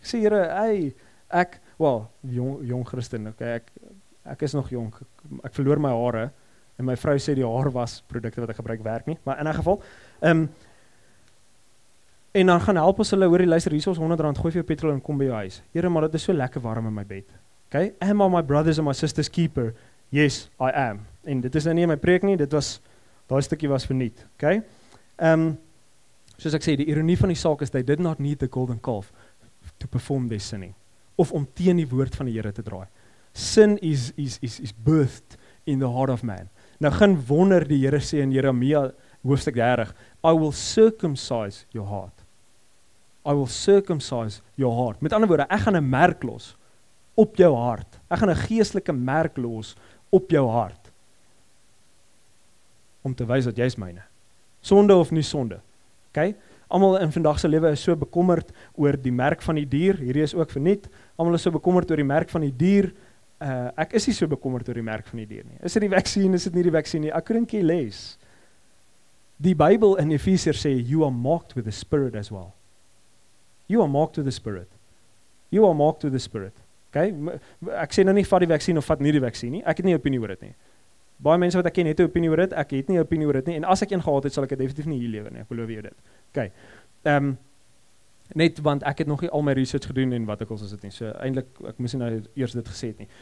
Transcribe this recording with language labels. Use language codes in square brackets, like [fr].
[af] Sê Here, hey, ek, well, jong Christen, okay, ek is nog jong. Ek verloor my hare en my vrou sê die haar was produkte wat ek gebruik werk nie, maar in 'n geval, en dan gaan help ons hulle, hoor die luister, hier is R100, gooi vir jou petrol en kom by jou huis. Here, maar dit is so lekker warm in my bed. Okay? [en] Am I my brothers and my sisters keeper? Yes, I am. [af] En dit is nou nie in my preek nie, dit was, daai stukkie was verniet. Okay? Soos ek sê, die ironie van die saak is, [en] they did not need the golden calf to perform their sinning. [af] Of om teen die woord van die Here te draai. [en] Sin is birthed in the heart of man. [af] Nou gaan wonder die Here sê in Jeremia hoofstuk 30, [en] I will circumcise your heart. I will circumcise your heart. [af] Met ander woorde, ek gaan 'n merk los op jou hart. Ek gaan 'n geestelike merk los op jou hart. Om te wys dat jy is myne. Sonde of nie sonde. Okay? Almal in vandag se lewe is so bekommerd oor die merk van die dier. Hierdie is ook verniet. Almal is so bekommerd oor die merk van die dier. Ek is nie so bekommerd oor die merk van die dier nie. Is dit die vaksin? Is dit nie die vaksin nie? Ek [en] couldn't care less. [af] Die Bybel in Efesiërs sê, [en] you are marked with the Spirit as well. You are marked with the Spirit. You are marked with the Spirit. Okay? [af] Ek sê nou nie vat die vaksin of vat nie die vaksin nie. Ek het nie opinie oor dit nie. Baie mense wat ek ken het 'n opinie oor dit. Ek het nie 'n opinie oor dit nie. En as ek een gehad het, sal ek dit definitief nie hier lewe nie. Ek beloof jou dit. Okay. Net want ek het nog nie al my research gedoen en wat ek al soos dit nie. So eintlik ek moes nou eers dit gesê het nie.